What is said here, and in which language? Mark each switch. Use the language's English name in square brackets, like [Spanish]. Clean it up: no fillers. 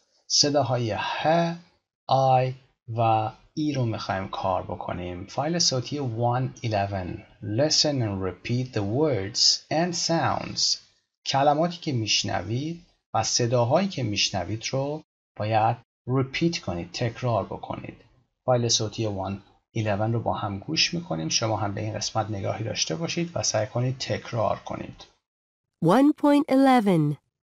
[Persian] صداهای ه، آی و ای رو میخواییم کار بکنیم. فایل صوتی 111. [English] Listen and repeat the words and sounds. [Persian] کلماتی که میشنوید و صداهایی که میشنوید رو باید repeat کنید، تکرار بکنید. فایل صوتی 111 رو با هم گوش میکنیم. شما هم به این قسمت نگاهی داشته باشید و سعی کنید تکرار کنید. 1.11